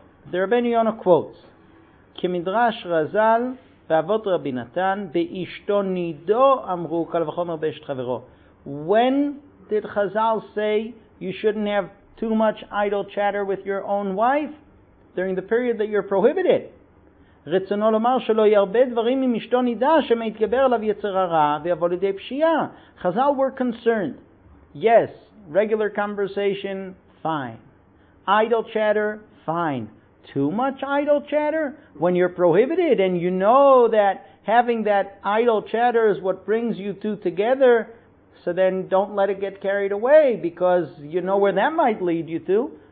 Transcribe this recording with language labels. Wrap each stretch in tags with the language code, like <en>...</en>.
<en>The Rabbeinu Yonah quotes, Kimidrash Razal, Vavot Rabbi Natan, Beishto Nido Amru Kalvachomer Beishet Chavero. When did Chazal say you shouldn't have too much idle chatter with your own wife? During the period that you're prohibited.</en> <he>רצונו לומר שלא ירבה דברים עם אשתו נידה שמתגבר עליו יצר הרע ויבוא לידי פשיעה.</he> <en>Chazal were concerned. Yes, regular conversation, fine. Idle chatter, fine. Too much idle chatter? When you're prohibited and you know that having that idle chatter is what brings you two together, so then don't let it get carried away because you know where that might lead you to.</en>